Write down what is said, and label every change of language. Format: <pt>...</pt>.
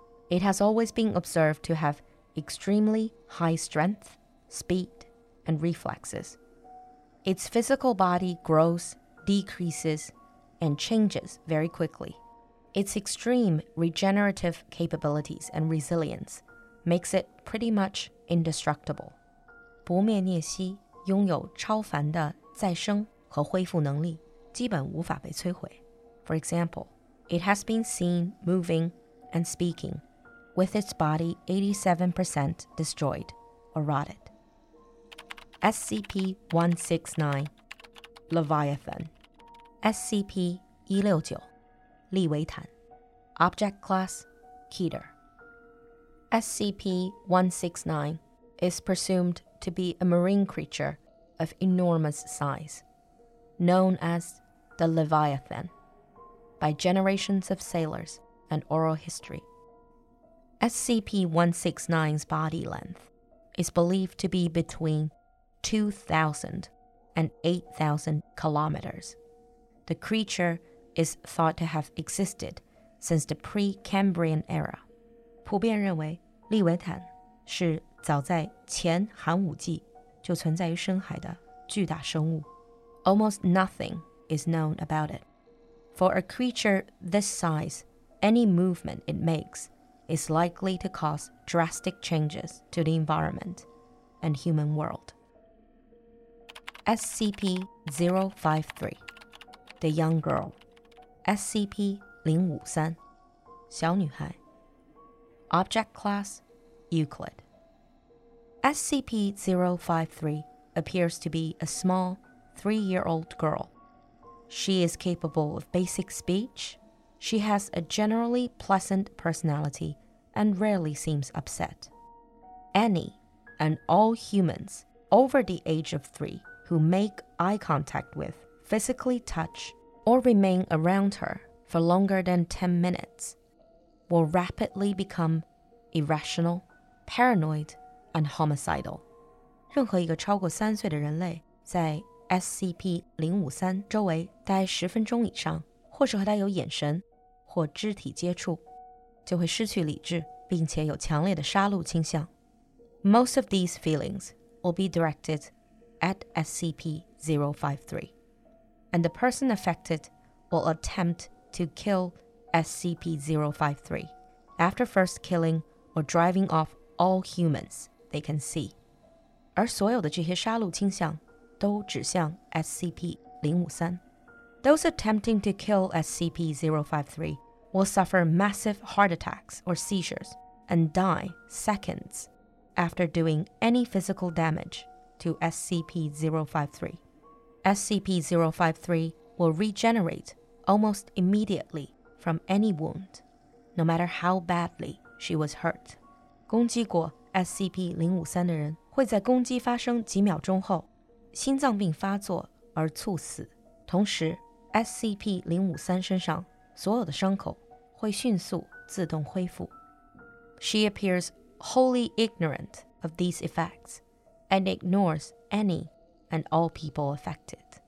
<en>It has always been observed to have extremely high strength, speed, and reflexes. Its physical body grows, decreases, and changes very quickly. Its extreme regenerative capabilities and resilience makes it pretty much indestructible.</en> <zh>不灭孽蜥拥有超凡的再生和恢复能力，基本无法被摧毁。</zh> <en>For example, it has been seen moving and speaking, with its body 87% destroyed or rotted. SCP-169, Leviathan. SCP-169, Leviathan. Object class, Keter. SCP-169 is presumed to be a marine creature of enormous size, known as the Leviathan, by generations of sailors and oral history. SCP-169's body length is believed to be between 2,000 and 8,000 kilometers. The creature is thought to have existed since the pre-Cambrian era.</en> <zh>普遍认为，利维坦是早在前寒武纪就存在于深海的巨大生物。</zh> <en>Almost nothing is known about it. For a creature this size, any movement it makes is likely to cause drastic changes to the environment and human world. SCP-053, The Young Girl. SCP-053,</en> <zh>小女孩。</zh> <en>Object class, Euclid. SCP-053 appears to be a small, 3-year-old girl. She is capable of basic speech. She has a generally pleasant personality and rarely seems upset. Any and all humans over the age of 3 who make eye contact with, physically touch, or remain around her for longer than 10 minutes will rapidly becomeirrational, paranoid, and homicidal.</en> <zh>任何一个超过三岁的人类在 SCP-053 周围待十分钟以上，或是和他有眼神或肢体接触，就会失去理智，并且有强烈的杀戮倾向。</zh> <en>Most of these feelings will be directed at SCP-053, and the person affected will attempt to kill SCP-053 after first killing or driving off all humans they can see.</en> <zh>而所有的这些杀戮倾向都指向 SCP-053.</zh> <en>Those attempting to kill SCP-053 will suffer massive heart attacks or seizures and die seconds after doing any physical damage to SCP-053. SCP-053 will regenerate almost immediately from any wound, no matter how badly she was hurt.</en> <zh>攻击过 SCP-053 的人会在攻击发生几秒钟后心脏病发作而猝死，同时 SCP-053 身上所有的伤口会迅速自动恢复。</zh> <en>She appears wholly ignorant of these effects and ignores any and all people affected.</en>